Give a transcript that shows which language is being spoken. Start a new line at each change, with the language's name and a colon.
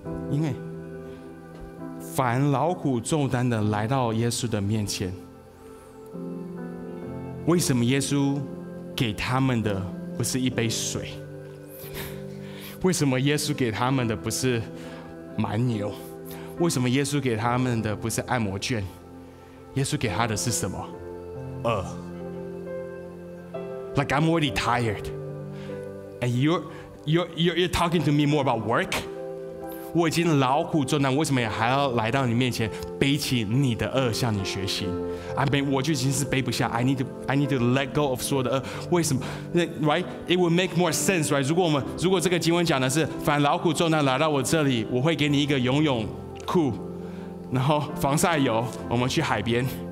Chinese: 因为烦劳苦重担的来到耶稣的面前，为什么耶稣给他们的不是一杯水？为什么耶稣给他们的不是蛮牛？为什么耶稣给他们的不是按摩券？耶稣给他的是什么？轭。
English: Like I'm already tired, and you're talking to me more about work.
Chinese: 我已经劳苦重担，为什么还要来到你面前背起你的轭向你学习？我就已经是背不下
English: I need to let go of
Chinese: 所有的轭，为什么？
English: Right? It would make more sense, right?
Chinese: 如果这个经文讲的是凡劳苦重担来到我这里，我会给你一个游泳裤，然后防晒油，我们去海边。